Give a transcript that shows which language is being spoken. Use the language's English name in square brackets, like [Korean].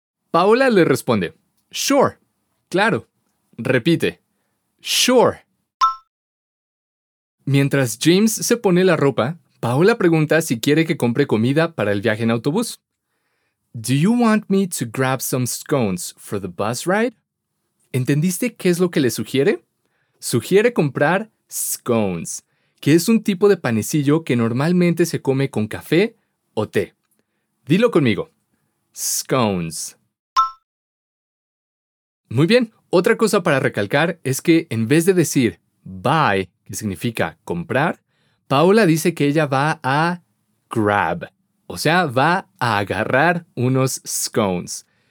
[Spanish] Paola le responde, sure, claro. Repite, sure. Mientras James se pone la ropa, Paola pregunta si quiere que compre comida para el viaje en autobús. [English] Do you want me to grab some scones for the bus ride? [Spanish] ¿Entendiste qué es lo que le sugiere? Sugiere comprar scones, que es un tipo de panecillo que normalmente se come con café o té. Dilo conmigo. [English] Scones. [Spanish] Muy bien, otra cosa para recalcar es que en vez de decir buy, que significa comprar, Paola dice que ella va a grab. O sea, va a agarrar unos scones.